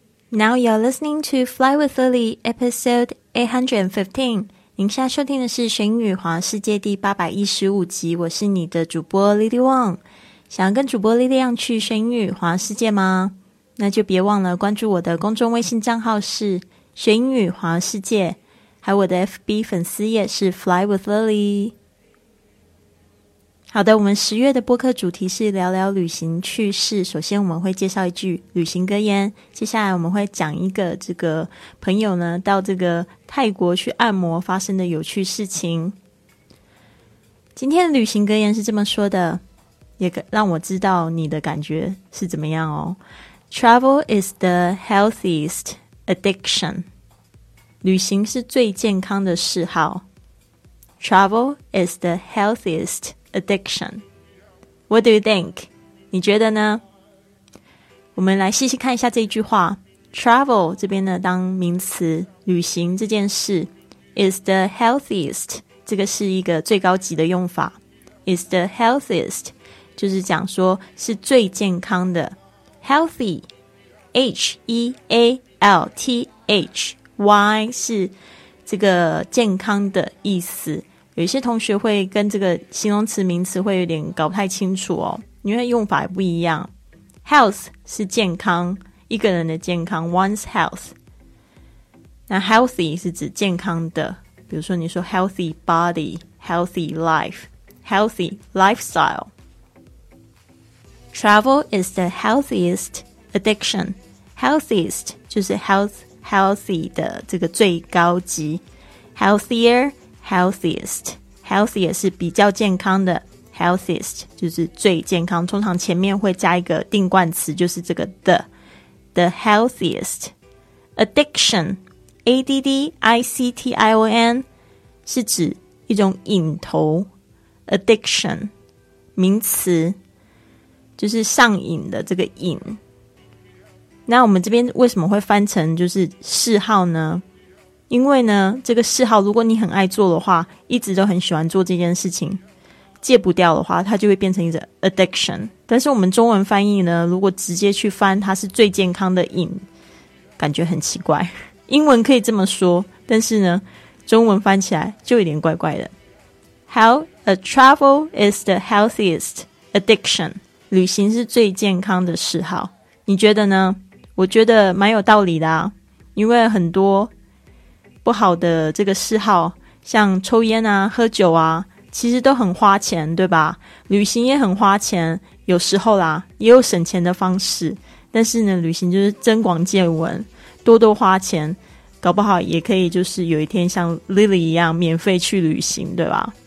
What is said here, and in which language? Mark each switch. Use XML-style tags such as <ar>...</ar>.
<en>Now you're listening to Fly with Lily, episode 815.</en> <zh>您现在收听的是《学英语环游世界》第815集，我是你的主播 Lily Wang。想要跟主播 Lily Wang 去学英语环游世界吗？那就别忘了关注我的公众微信账号是《学英语环游世界》，还有我的 FB 粉丝页是 Fly with Lily。好的，我们10月的播客主题是聊聊旅行趣事。首先我们会介绍一句旅行格言，接下来我们会讲一个这个朋友呢到这个泰国去按摩发生的有趣事情。今天的旅行格言是这么说的，也让我知道你的感觉是怎么样哦。</zh> <en>Travel is the healthiest addiction.</en> <zh>旅行是最健康的嗜好。</zh> <en>Travel is the healthiestaddiction. What do you think?</en> <zh>你觉得呢？我们来细细看一下这一句话。Travel 这边呢当名词，旅行这件事</zh> <en>is the healthiest，</en> <zh>这个是一个最高级的用法。</zh> <en>is the healthiest</en> <zh>就是讲说是最健康的。 healthy， H-E-A-L-T-H-Y 是这个健康的意思。有些同学会跟这个形容词名词会有点搞不太清楚哦，因为用法也不一样。 Health 是健康，一个人的健康，</zh> <en>One's health。</en> <zh>那 healthy 是指健康的，比如说你说</zh> <en>healthy body, healthy life, healthy lifestyle。 Travel is the healthiest addiction.</en> <zh>Healthiest 就是 healthy 的这个最高级。 Healthier,healthiest, healthiest 是比较健康的， healthiest 就是最健康，通常前面会加一个定冠词，就是这个 the healthiest。 addiction, A-D-D-I-C-T-I-O-N 是指一种瘾头， addiction 名词就是上瘾的这个瘾。那我们这边为什么会翻成就是嗜好呢？因为呢这个嗜好如果你很爱做的话，一直都很喜欢做这件事情，戒不掉的话它就会变成一种 addiction。但是我们中文翻译呢如果直接去翻它是最健康的瘾，感觉很奇怪。英文可以这么说，但是呢中文翻起来就有点怪怪的。</zh> <en>How a travel is the healthiest addiction，</en> <zh>旅行是最健康的嗜好，你觉得呢？我觉得蛮有道理的啊，因为很多不好的这个嗜好，像抽烟啊、喝酒啊，其实都很花钱，对吧？旅行也很花钱，有时候啦，也有省钱的方式。但是呢，旅行就是增广见闻，多多花钱，搞不好也可以就是有一天像 Lily 一样免费去旅行，对吧？</zh>